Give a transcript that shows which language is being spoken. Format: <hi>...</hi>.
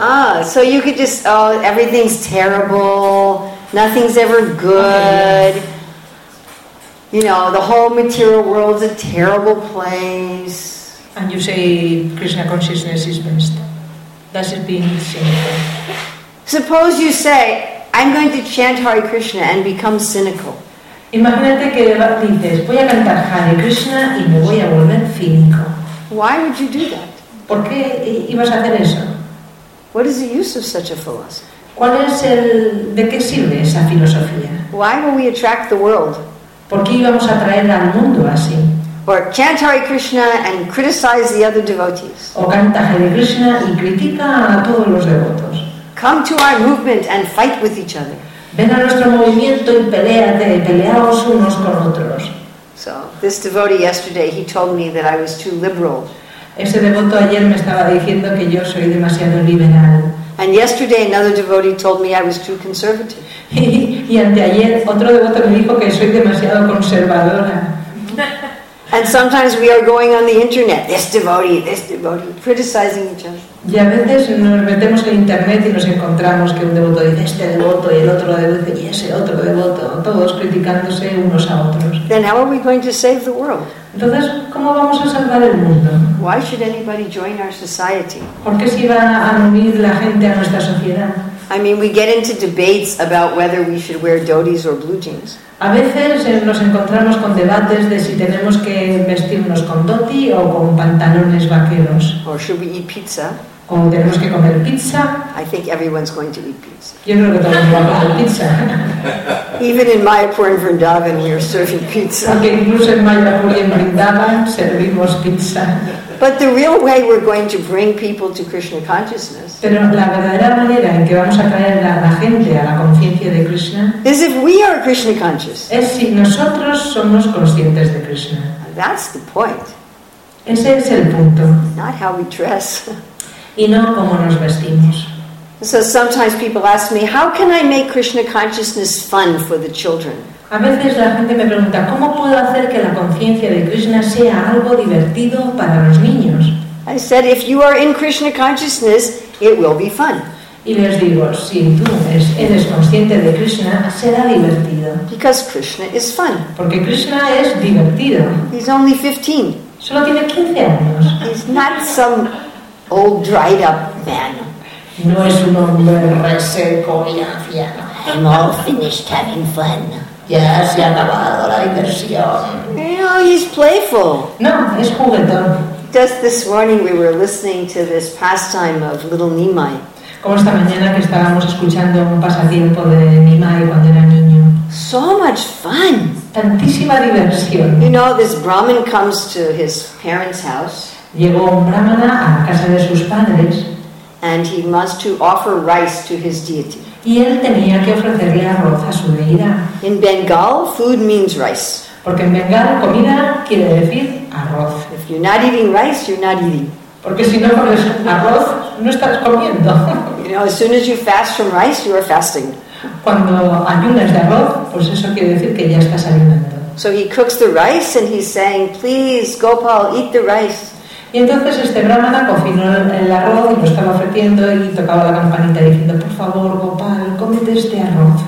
<en>Ah, so you could just, oh, everything's terrible, nothing's ever good. You know, the whole material world's a terrible place. And you say Krishna consciousness is best. That's it being cynical. Suppose you say, I'm going to chant Hare Krishna and become cynical.</en> <es>Imagínate que dices, voy a cantar Hare Krishna y me voy a volver cínico.</es> <en>Why would you do that?</en> <es>¿Por qué ibas a hacer eso?</es> <en>What is the use of such a philosophy?</en> <es>¿Cuál es de qué sirve esa filosofía?</es> <en>Why will we attract the world?</en> <es>¿Por qué íbamos a atraer al mundo así?</es> <en>Or chant Hare Krishna and criticize the other devotees.</en> <es>O canta Hare Krishna y critica a todos los devotos.</es> <en>Come to our movement and fight with each other.</en> <es>Ven a nuestro movimiento y peleaos unos con otros.</es> <en>So, this devotee yesterday, he told me that I was too liberal.</en> <es>Ese devoto ayer me estaba diciendo que yo soy demasiado liberal.</es> <en>And yesterday, another devotee told me I was too conservative.</en> <es>Y anteayer, otro devoto me dijo que soy demasiado conservadora.</es> <en>And sometimes we are going on the internet, this devotee, criticizing each other.</en> <es>Y a veces nos metemos en internet y nos encontramos que un devoto dice este devoto y el otro devoto y ese otro devoto, todos criticándose unos a otros.</es> <en>Then how are we going to save the world?</en> <es>Entonces, ¿cómo vamos a salvar el mundo?</es> <en>Why should anybody join our society?</en> <es>¿Por qué se iba a unir la gente a nuestra sociedad?</es> <en>I mean, we get into debates about whether we should wear dhotis or blue jeans.</en> <es>A veces nos encontramos con debates de si tenemos que vestirnos con dhoti o con pantalones vaqueros.</es> <en>Or should we eat pizza?</en> <es>¿O tenemos que comer pizza?</es> <en>I think everyone's going to eat pizza.</en> <es>Yo creo que todos vamos a comer pizza.</es> <en>Even in Mayapur and Vrindavan we are serving pizza.</en> <es>Aunque incluso en Mayapur y en Vrindavan servimos pizza.</es> <en>But the real way we're going to bring people to Krishna consciousness.</en> <es>Pero la verdadera manera en que vamos a traer a la gente a la conciencia de Krishna.</es> <en>Is if we are Krishna conscious.</en> <es>Es si nosotros somos conscientes de Krishna.</es> <en>That's the point.</en> <es>Ese es el punto.</es> <en>Not how we dress.</en> <es>Y no cómo nos vestimos.</es> <en>So sometimes people ask me, how can I make Krishna consciousness fun for the children?</en> <es>A veces la gente me pregunta, ¿cómo puedo hacer que la conciencia de Krishna sea algo divertido para los niños?</es> <en>I said, if you are in Krishna consciousness, it will be fun.</en> <es>Y les digo, si tú eres consciente de Krishna, será divertido.</es> <en>Because Krishna is fun.</en> <es>Porque Krishna es divertido.</es> <en>He's only 15.</en> <es>Solo tiene 15 años.</es> <en>He's not some old dried up man.</en> <es>No es un hombre reseco y anciano.</es> <en>I'm all finished having fun.</en> <es>Yes, ya acabado la diversión.</es> <en>You know, he's playful.</en> <es>No, es juguetón.</es> <en>Just this morning we were listening to this pastime of little Nimai.</en> <es>Como esta mañana que estábamos escuchando un pasatiempo de Nimai cuando era niño.</es> <en>So much fun.</en> <es>Tantísima diversión.</es> <en>You know, this Brahmin comes to his parents' house.</en> <es>Llegó un brahmana a casa de sus padres.</es> <en>And he must to offer rice to his deity.</en> <es>Y él tenía que ofrecerle arroz a su deidad.</es> <en>In Bengal, food means rice.</en> <es>Porque en Bengal, comida quiere decir arroz.</es> <en>If you're not eating rice, you're not eating.</en> <es>Porque si no comes arroz, no estás comiendo.</es> <en>You know, as soon as you fast from rice, you are fasting.</en> <es>Cuando ayunas de arroz, pues eso quiere decir que ya estás alimentando.</es> <en>So he cooks the rice and he's saying, please, Gopal, eat the rice.</en> <es>Y entonces este brahmana cocinó el arroz y lo estaba ofreciendo y tocaba la campanita diciendo, por favor, Gopal, cómete este arroz.</es>